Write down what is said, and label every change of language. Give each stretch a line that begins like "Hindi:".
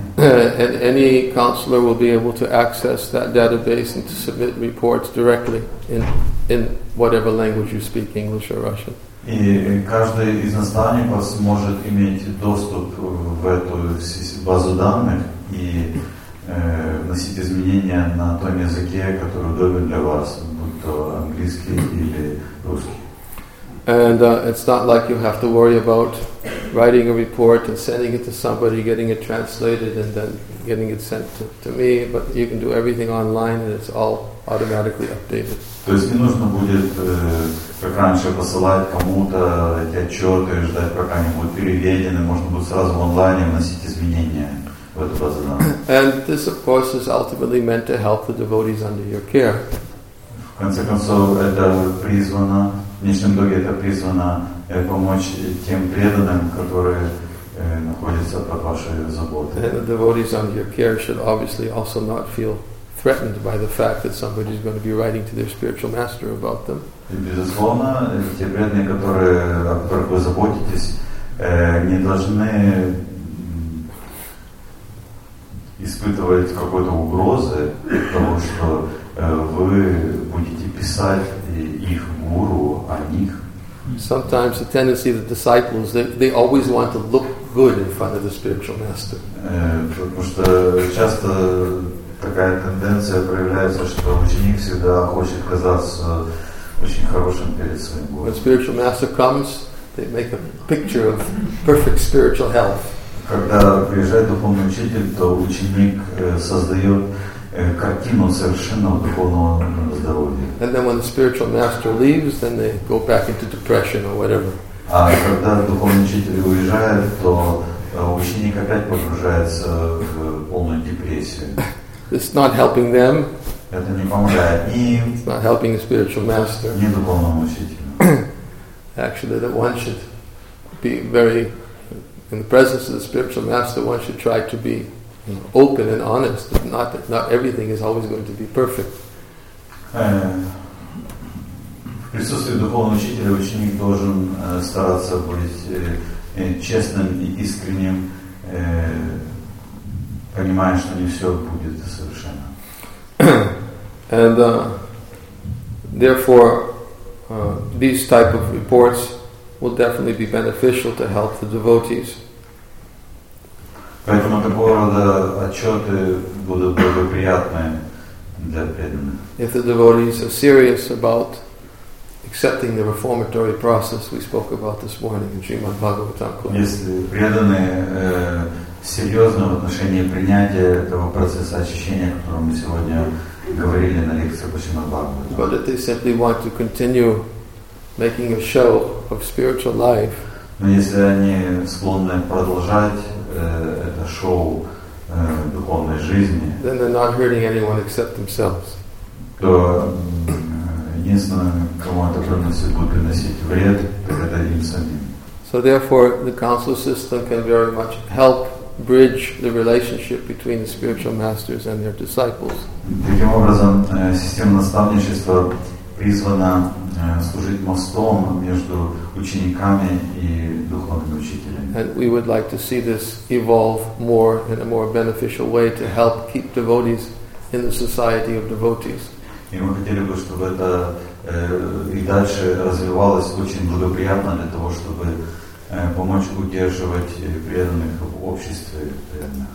English: And any counselor will be able to access that database and to submit reports directly in whatever language you speak, English or Russian.
Russian: И каждый из наставников сможет иметь доступ в эту базу данных и вносить изменения на том языке, который удобен для вас, будь то английский или русский.
English: And it's not like you have to worry about writing a report and sending it to somebody, getting it translated and then getting it sent to me, but you can do everything online and it's all automatically updated.
Russian: То есть не нужно будет, как раньше, посылать кому-то эти отчеты, ждать, пока они будут переведены, можно будет сразу в онлайне вносить изменения в эту базу данных.
English: And this, of course, is ultimately meant to help the devotees under your care.
Russian: В конце концов, это призвано, в конечном итоге это призвано помочь тем преданным, которые находятся под вашей заботой.
English: And the devotees under your care should obviously also not feel threatened by the fact that somebody is going to be writing to their spiritual master about them.
Russian: Безусловно, те преданные, которые, о которых вы заботитесь, не должны испытывать какой-то угрозы, потому что вы будете писать их гуру о них.
English: Sometimes the tendency of the disciples, they always want to look good in front of the spiritual master.
Russian: Потому что часто такая тенденция проявляется, что ученик всегда хочет казаться очень хорошим перед своим гуру.
English: When spiritual master comes, they make a picture of perfect spiritual health.
Russian: Когда приезжает духовный учитель, то ученик создает картину совершенного духовного здоровья.
English: And then when the spiritual master leaves, then they go back into depression or whatever.
Russian: А когда духовный учитель уезжает, то ученик опять погружается в полную депрессию.
English: It's not helping them.
Russian: Это не помогает им.
English: It's not helping the spiritual master.
Russian: Не духовному учителю.
English: Actually, that one should be very, in the presence of the spiritual master, one should try to be open and honest. Not everything is always going to be perfect.
Russian: В присутствии духовного учителя ученик должен стараться быть честным и искренним. Понимаешь, что не все будет совершенно.
English: And therefore, these type of reports will definitely be beneficial to help the devotees.
Russian: Поэтому такого рода отчеты будут благоприятны для преданных.
English: If the devotees are serious about accepting the reformatory process we spoke about this morning in Srimad Bhagavatam.
Russian: Если преданные серьезно в отношении принятия этого процесса очищения, о котором мы сегодня говорили на лекции по Шримад Бхагаватам.
English: But if they simply want to continue making a show of spiritual life.
Russian: Но если они склонны продолжать это шоу духовной жизни,
English: then they're not hurting anyone except themselves.
Russian: То единственное, кому это приносит, будет приносить вред, так это им самим.
English: So therefore, the council system can very much help bridge the relationship between the spiritual masters and their disciples.
Russian: Таким образом, система наставничества призвана служить мостом между учениками и духовными учителями.
English: And we would like to see this evolve more in a more beneficial way to help keep devotees in the society of devotees.
Russian: И мы хотели бы, чтобы это и дальше развивалось очень благоприятно для того, чтобы помочь удерживать преданных в обществе преданных.